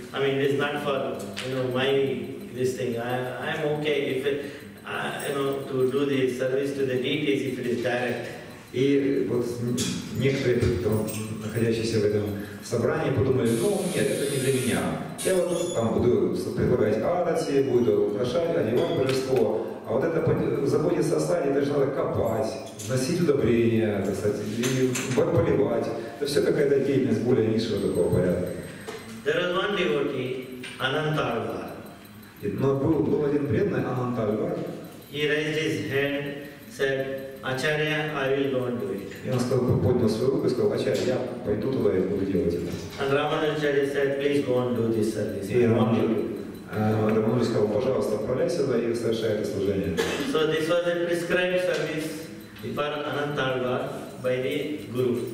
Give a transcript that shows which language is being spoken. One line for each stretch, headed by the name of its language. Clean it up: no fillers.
English: I mean, it's not for, you know, my this thing. I'm okay if it, you know, to do the service to the deities if it is direct.
Russian: И вот некоторые, кто находящиеся в этом собрании, подумали, ну нет, это не для меня. Я вот там буду предлагать арати, буду украшать, одевать божество. А вот это заботиться о саде, это же надо копать, носить удобрения, так сказать, поливать. Это все какая-то деятельность более низшего такого порядка.
English: There was one devotee, Anantarvar.
Russian: Но был один преданный, Anantarvar.
English: He raised his hand, said, Acharya, I will go and do it.
Russian: И он сказал, поднял свою руку и сказал, Acharya, я пойду туда и буду делать это.
English: And Ramanujacharya said, please go and do this service.
Russian: И Рамануджи сказал, пожалуйста, отправляйся туда и совершай это служение.
English: So this was a prescribed service for Anantarvar by the Guru.